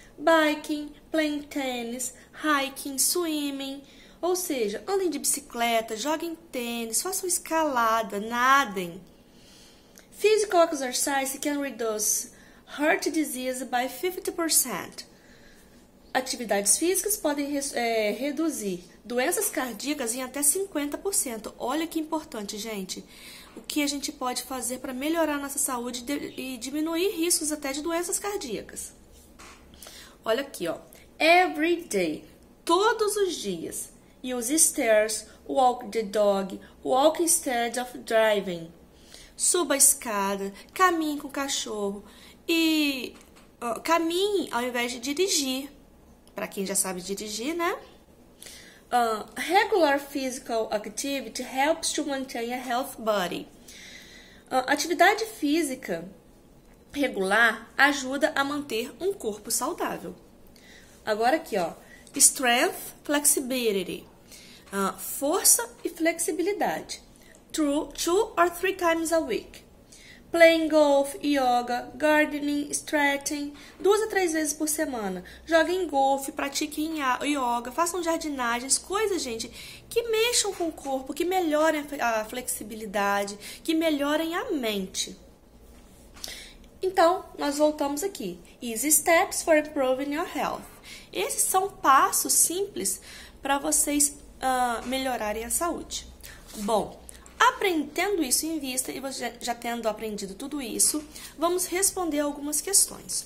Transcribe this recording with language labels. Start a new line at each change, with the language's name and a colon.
English: Biking, playing tennis, hiking, swimming.
Portuguese: Ou seja, andem de bicicleta, joguem tênis, façam escalada, nadem.
English: Physical exercise can reduce heart disease by 50%.
Portuguese: Atividades físicas podem reduzir doenças cardíacas em até 50%. Olha que importante, gente. O que a gente pode fazer para melhorar nossa saúde e diminuir riscos até de doenças cardíacas? Olha aqui, ó.
English: Every day,
Portuguese: todos os dias.
English: Use stairs, walk the dog, walk instead of driving.
Portuguese: Suba a escada, caminhe com o cachorro e caminhe ao invés de dirigir. Para quem já sabe dirigir, né?
English: Regular physical activity helps to maintain a healthy body.
Portuguese: Atividade física regular ajuda a manter um corpo saudável. Agora aqui, ó.
English: Strength, flexibility.
Portuguese: Força e flexibilidade.
English: 2 or 3 times a week. Playing golf, yoga, gardening, stretching,
Portuguese: 2 a 3 vezes por semana. Joguem golfe, pratiquem yoga, façam jardinagens, coisas, gente, que mexam com o corpo, que melhorem a flexibilidade, que melhorem a mente. Então, nós voltamos aqui.
English: Easy steps for improving your health.
Portuguese: Esses são passos simples para vocês melhorarem a saúde. Bom, aprendendo isso em vista e você já tendo aprendido tudo isso, vamos responder algumas questões.